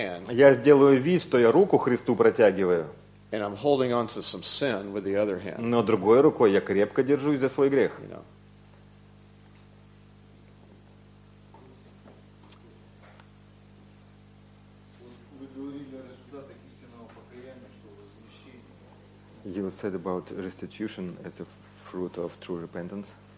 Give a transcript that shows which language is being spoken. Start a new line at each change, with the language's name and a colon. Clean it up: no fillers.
Russian: Я сделаю вид, что я руку Христу протягиваю.
English: And I'm holding on to some sin with the other hand.
Russian: Но другой рукой я крепко держусь за свой грех.
English: You know.
Russian: Вы говорили о результатах истинного покаяния.
English: You said about restitution as a fruit of true repentance.